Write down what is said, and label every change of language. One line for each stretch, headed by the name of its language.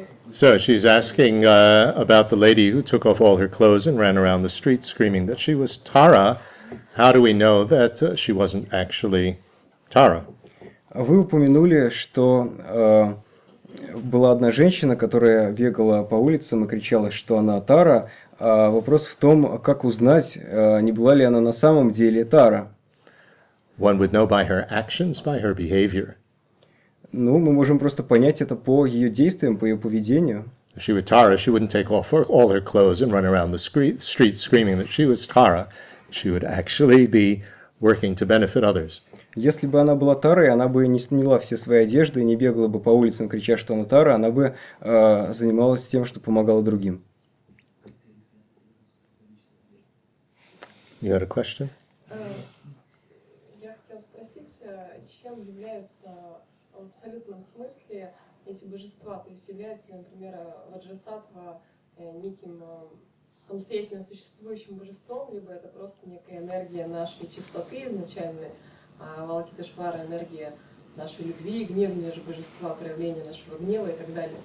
English: So she's asking about the lady who took off all her clothes and ran around the streets screaming that she was Tara. How do we know that she wasn't actually Tara?
Russian: Вы упомянули, что была одна женщина, которая бегала по улицам и кричала, что она Тара. Вопрос в том, как узнать, не была ли она на самом деле Тара?
English: One would know by her actions, by her behavior.
Russian: Ну, мы можем просто понять это по ее действиям, по ее поведению.
English: If she were Tara, she wouldn't take off all her clothes and run around the street screaming that she was Tara. She would actually be working to benefit others.
Russian: Если бы она была Тарой, она бы не сняла все свои одежды и не бегала бы по улицам, крича, что она Тара, она бы занималась тем, что помогала другим.
English: You had a question?
Russian: Я хотела спросить, чем является... В абсолютном смысле эти божества, то есть является ли, например, Ваджрасаттва неким самостоятельно существующим божеством, либо это просто некая энергия нашей чистоты изначальной, а Валакитешвара – энергия нашей любви, гневные же божества, проявления нашего гнева и так далее.